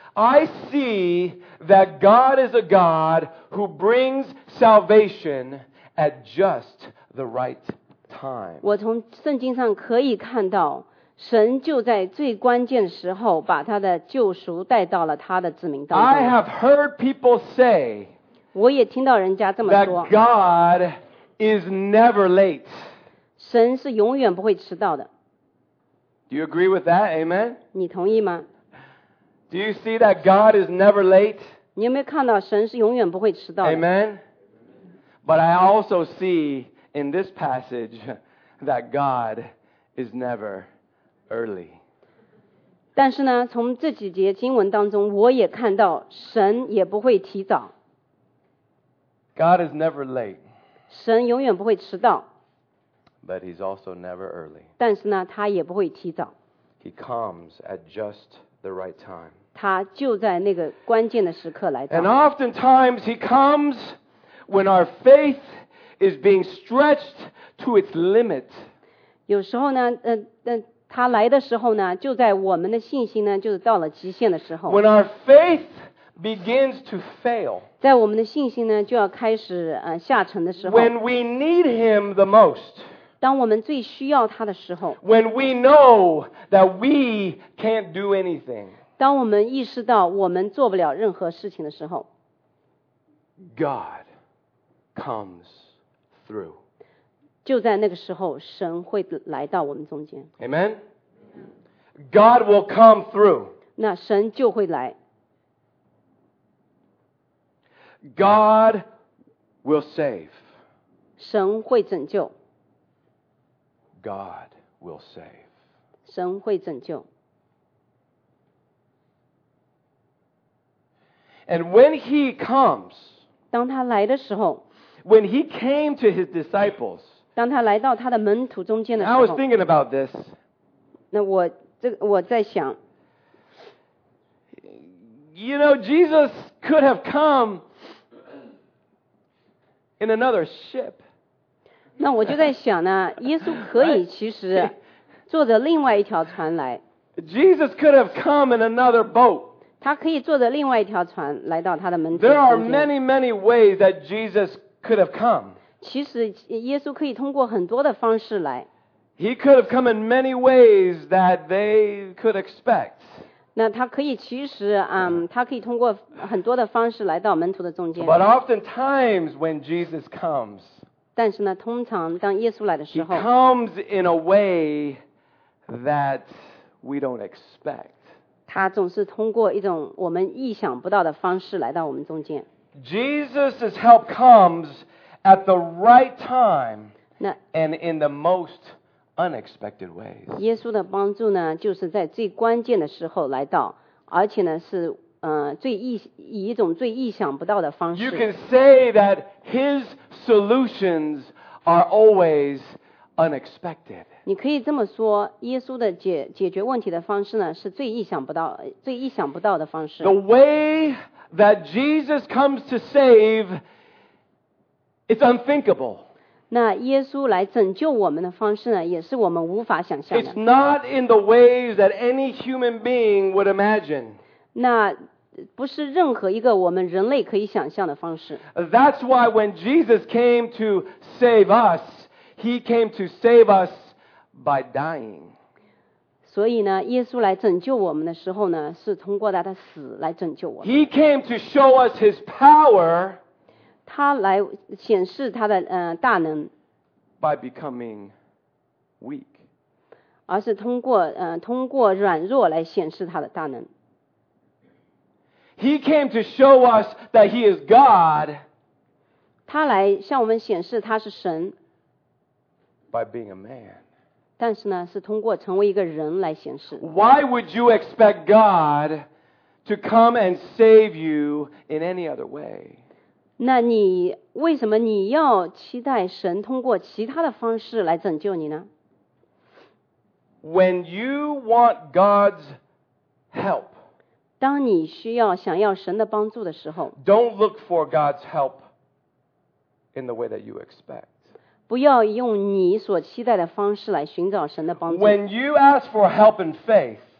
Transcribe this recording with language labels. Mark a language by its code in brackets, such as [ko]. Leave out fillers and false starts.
[en] I see that God is a God who brings salvation at just the right time. [zh] 我从圣经上可以看到神就在最关键时候把他的救赎带到了他的子民当中。 [en] I have heard people say, [zh] 我也听到人家这么说， [en] that God is never late. [zh] 神是永远不会迟到的。 [en] Do you agree with that? Amen? [zh] 你同意吗？ [en] Do you see that God is never late? [zh] 你有没有看到神是永远不会迟到的？ [en] Amen? But I also see in this passage that God is never late. Early. [zh] 但是呢，从这几节经文当中，我也看到神也不会提早。 [en] God is never late. [zh] 神永远不会迟到。 [en] But he's also never early. [zh] 但是呢，他也不会提早。 [en] He comes at just the right time. [zh] 他就在那个关键的时刻来到。 [en] And oftentimes he comes when our faith is being stretched to its limit. [zh] 有时候呢，他来的时候呢，就在我们的信心呢，就是到了极限的时候。 [en] When our faith begins to fail, [zh] 在我们的信心呢，就要开始下沉的时候。 [en] When we need him the most, [zh] 当我们最需要他的时候。 [en] When we know that we can't do anything, [zh] 当我们意识到我们做不了任何事情的时候。 [en] God comes through. [zh] 就在那个时候，神会来到我们中间。 [en] Amen. God will come through. [zh] 那神就会来。 [en] God will save. [zh] 神会拯救。 [en] God will save. [zh] 神会拯救。 [en] And when he comes, [zh] 当他来的时候， [en] When he came to his disciples, [zh] 当他来到他的门徒中间的时候， [en] I was thinking about this. [zh] 那我这我在想， [en] You know, Jesus could have come in another ship. [zh] 那我就在想呢，耶稣可以其实坐着另外一条船来。 [en] Jesus could have come in another boat. [zh] 他可以坐着另外一条船来到他的门徒。 [en] There are many, many ways that Jesus could have come. [zh] 其实耶稣可以通过很多的方式来。 [en] He could have come in many ways that they could expect. [zh] 那他可以其实他可以通过很多的方式来到门徒的中间。 [en] But oftentimes when Jesus comes, [zh] 但是呢，通常当耶稣来的时候， [en] He comes in a way that we don't expect. [zh] 他总是通过一种我们意想不到的方式来到我们中间。 [en] Jesus' help comes at the right time and in the most unexpected ways. [zh] 耶稣的帮助呢，就是在最关键的时候来到，而且呢是以一种最意想不到的方式。 [en] You can say that his solutions are always unexpected. [zh] 你可以这么说，耶稣的解决问题的方式呢，是最意想不到的方式。 [en] The way that Jesus comes to save, it's unthinkable. [zh] 那耶稣来拯救我们的方式呢，也是我们无法想象的。 [en] It's not in the ways that any human being would imagine. [zh] 那不是任何一个我们人类可以想象的方式。 [en] That's why when Jesus came to save us, he came to save us by dying. [zh] 所以呢，耶稣来拯救我们的时候呢，是通过他的死来拯救我们。 [en] He came to show us his power. [zh] 他来显示他的大能。 [en] By becoming weak. [zh] 而是通过软弱来显示他的大能。 [en] He came to show us that he is God. [zh] 他来向我们显示他是神。 [en] By being a man. [zh] 但是呢，是通过成为一个人来显示。 [en] Why would you expect God to come and save you in any other way? [zh] 那你为什么你要期待神通过其他的方式来拯救你呢？ [en] When you want God's help. [zh] 当你需要想要神的帮助的时候， [en] Don't look for God's help in the way that you expect. [zh] 不要用你所期待的方式来寻找神的帮助。 [en] When you ask for help in faith,